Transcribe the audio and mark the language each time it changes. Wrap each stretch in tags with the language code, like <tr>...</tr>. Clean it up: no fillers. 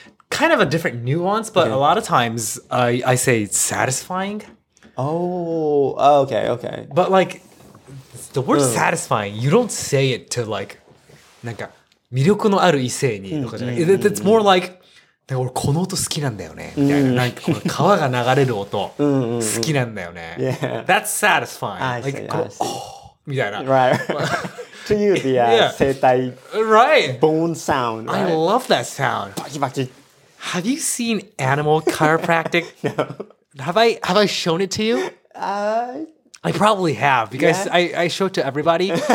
<en>Kind of a different nuance, but a lot of times I say satisfying. Oh, okay. But like. The word satisfying, you don't say it to like,</en> <ja>なんか, 魅力のある異性に,</ja> <en>it's more like,</en> <ja>この音好きなんだよね, みたいな、なんかこの川が流れる音好きなんだよね.</ja> <en>Yeah. That's satisfying. I see. Right. To you, the 声帯 bone sound. Right? I love that sound. Baki. Have you seen animal chiropractic? No. Have I shown it to you? I probably have, because I show it to everybody.</en>